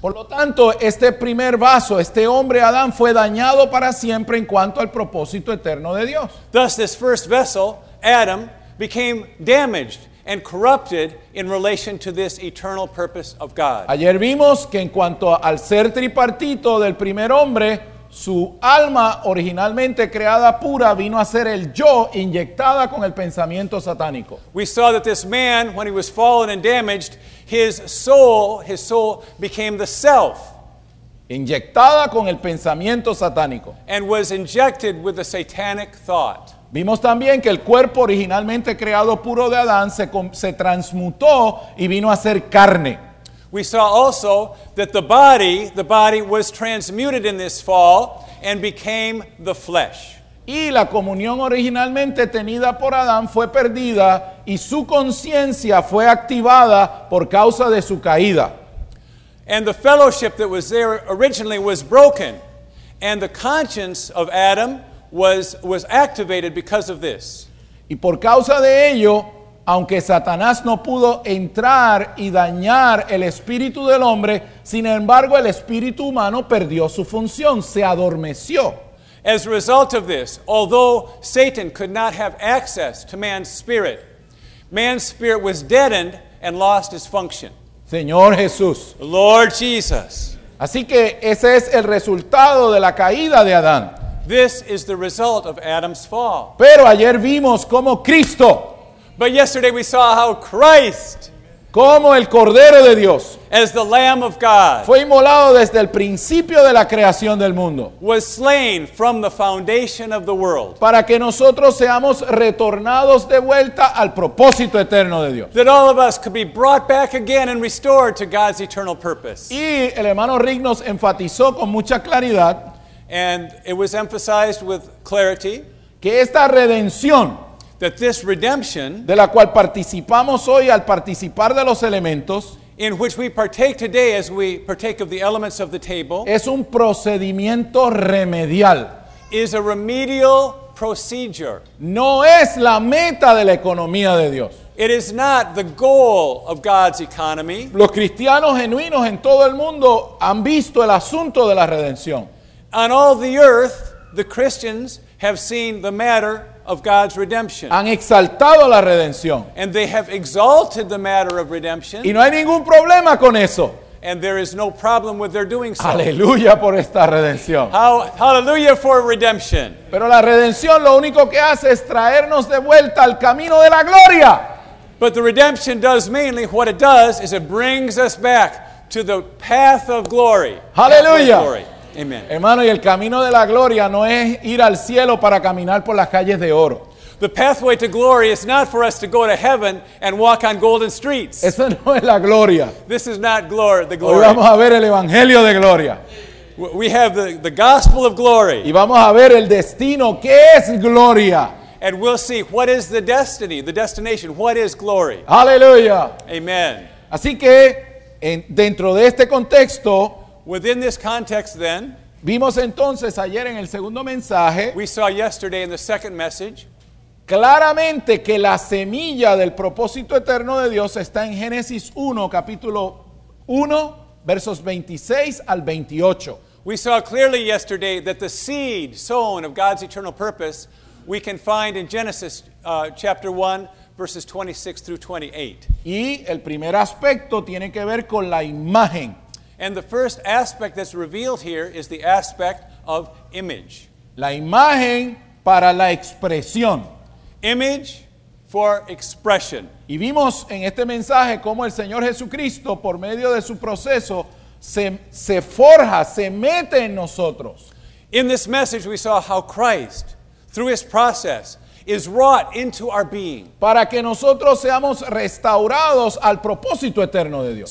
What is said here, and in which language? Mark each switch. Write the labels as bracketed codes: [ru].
[es] Por lo tanto, este primer vaso, este hombre Adán, fue dañado para siempre en cuanto al propósito eterno de Dios. [en] Thus, this first vessel, Adam, became damaged and corrupted in relation to this eternal purpose of God. [es] Ayer vimos que en cuanto al ser tripartito del primer hombre, su alma originalmente creada pura vino a ser el yo inyectada con el pensamiento satánico. [en] We saw that this man, when he was fallen and damaged, his soul became the self. [es] Inyectada con el pensamiento satánico. [en] And was injected with the satanic thought. [es] Vimos también que el cuerpo originalmente creado puro de Adán se transmutó y vino a ser carne. [en] We saw also that the body was transmuted in this fall and became the flesh. [es] Y la comunión originalmente tenida por Adán fue perdida y su conciencia fue activada por causa de su caída. [en] And the fellowship that was there originally was broken, and the conscience of Adam was activated because of this. [es] Y por causa de ello, aunque Satanás no pudo entrar y dañar el espíritu del hombre, sin embargo, el espíritu humano perdió su función, se adormeció. [en] As a result of this, although Satan could not have access to man's spirit was deadened and lost its function. [es] Señor Jesús. [en] Lord Jesus. [es] Así que ese es el resultado de la caída de Adán. [en] This is the result of Adam's fall. [es] Pero ayer vimos cómo Cristo. [en] But yesterday we saw how Christ, [es] como el Cordero de Dios, [en] as the Lamb of God, [es] fue inmolado desde el principio de la creación del mundo, [en] was slain from the foundation of the world, [es] para que nosotros seamos retornados de vuelta al propósito eterno de Dios. [en] That all of us could be brought back again and restored to God's eternal purpose. [es] Y el hermano Rick nos enfatizó con mucha claridad, [en] and it was emphasized with clarity, [es] que esta redención, [en] that this redemption, [es] de la cual participamos hoy al participar de los elementos, [en] in which we partake today as we partake of the elements of the table, [es] es un procedimiento remedial, [en] is a remedial procedure. [es] No es la meta de la economía de Dios. [en] It is not the goal of God's economy. [es] Los cristianos genuinos en todo el mundo han visto el asunto de la redención. [en] On all the earth, the Christians have seen the matter of God's redemption. [es] Han exaltado la redención. [en] And they have exalted the matter of redemption. [es] Y no hay ningún problema con eso. [en] And there is no problem with their doing so. [es] Aleluya por esta redención. [en] Hallelujah for redemption. [es] Pero la redención lo único que hace es traernos de vuelta al camino de la gloria. [en] But the redemption does mainly, what it does is it brings us back to the path of glory. Hallelujah. Amen. [es] Hermano, y el camino de la gloria no es ir al cielo para caminar por las calles de oro. [en] The pathway to glory is not for us to go to heaven and walk on golden streets. [es] Esa no es la gloria. [en] This is not glory, the glory. [es] Hoy vamos a ver el evangelio de gloria. [en] We have the gospel of glory. [es] Y vamos a ver el destino, ¿qué es gloria? [en] And we'll see what is the destiny, the destination, what is glory. [es] Aleluya. [en] Amen. [es] Así que dentro de este contexto, [en] within this context, then, [es] vimos entonces ayer en el segundo mensaje, [en] we saw yesterday in the second message, [es] claramente que la semilla del propósito eterno de Dios está en Génesis 1, capítulo 1, versos 26 al 28. [en] We saw clearly yesterday that the seed sown of God's eternal purpose we can find in Genesis chapter 1, verses 26 through 28. [es] Y el primer aspecto tiene que ver con la imagen. [en] And the first aspect that's revealed here is the aspect of image. [es] La imagen para la expresión. [en] Image for expression. [es] Y vimos en este mensaje cómo el Señor Jesucristo, por medio de su proceso, se forja, se mete en nosotros. [en] In this message, we saw how Christ, through his process, is wrought into our being. [es] Para que nosotros seamos restaurados al propósito eterno de Dios.